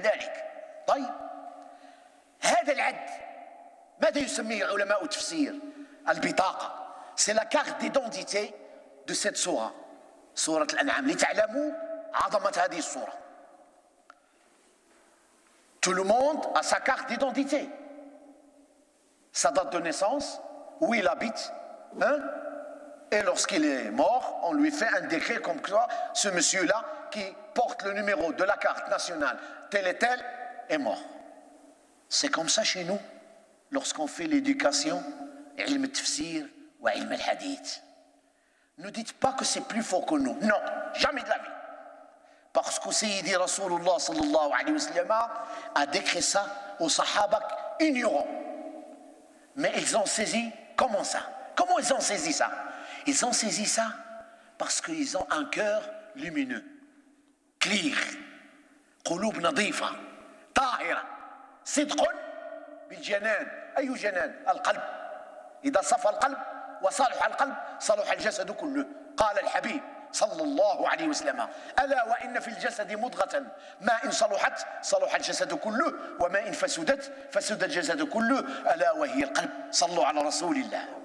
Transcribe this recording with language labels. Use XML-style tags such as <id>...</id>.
<ar>لحد هنا هذا العد، ماذا يسميه علماء التفسير؟ البطاقة.</ar> <fr>C'est la carte d'identité de cette سورة.</fr> <ar>سورة الأنعام. لتعلموا عظمة هذه السورة.</ar> <fr>Tout le monde a sa carte d'identité. Sa date de naissance. Où il habite, hein? Et lorsqu'il est mort, on lui fait un décret comme quoi ce monsieur-là qui porte le numéro de la carte nationale, tel et tel, est mort. C'est comme ça chez nous, lorsqu'on fait l'éducation, ilm tafsir ou ilm al-hadith. Ne dites pas que c'est plus fort que nous. Non, jamais de la vie. Parce que Sayyidi Rasulullah sallallahu alayhi wa sallam a décrit ça aux sahabas ignorants. Mais ils ont saisi, comment ça? Comment ils ont saisi ça? Ils ont saisi ça parce qu'ils ont un cœur lumineux, clair,</fr> <ar>قلوب نظيفة, طاهرة, صدقٌ بالجنان, أي جنان, القلب. إذا صفى القلب وصالح القلب صالح الجسد كله. قال الحبيب صلى الله عليه وسلم ألا وإن في الجسد مضغة ما إن صلحت صلح الجسد كله وما إن فسدت فسد الجسد كله ألا وهي القلب. صلوا على رسول الله.</ar>